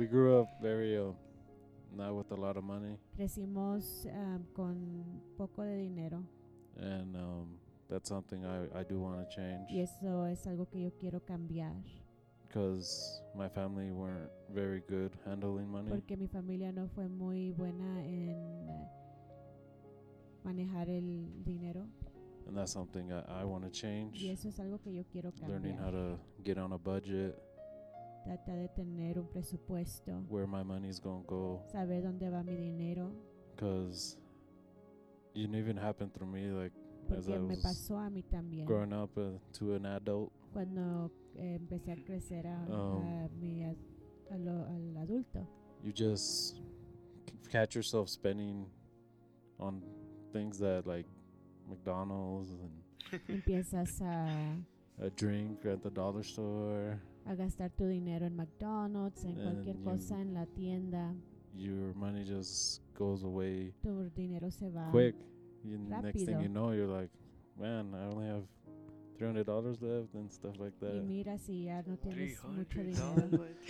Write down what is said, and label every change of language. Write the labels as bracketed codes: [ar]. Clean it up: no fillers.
[en] we grew up very, not with a lot of money. [es] Crecimos con poco de dinero. [en] And that's something I do want to change. [es] Y eso es algo que yo quiero cambiar. [en] Because my family weren't very good handling money. [es] Porque mi familia no fue muy buena en manejar el dinero. [en] And that's something I want to change. [es] Y eso es algo que yo quiero cambiar. [en] Learning how to get on a budget. [es] Trata de tener un presupuesto. [en] Where my money's going to go. [es] Saber dónde va mi dinero. [en] Because it even happened through me. Like, [es] Porque me pasó a mí también. [en] Growing up to an adult. [es] Cuando empecé a crecer al adulto. [en] You just catch yourself spending on things that like McDonald's and [es] empiezas [en] a drink at the dollar store. [es] A gastar tu dinero en McDonald's, en cualquier cosa en la tienda. [en] Your money just goes away. [es] Tu dinero se va. [en] Quick. And the next thing you know, you're like, man, I only have $300 left and stuff like that. [es] Y mira si ya no tienes mucho dinero.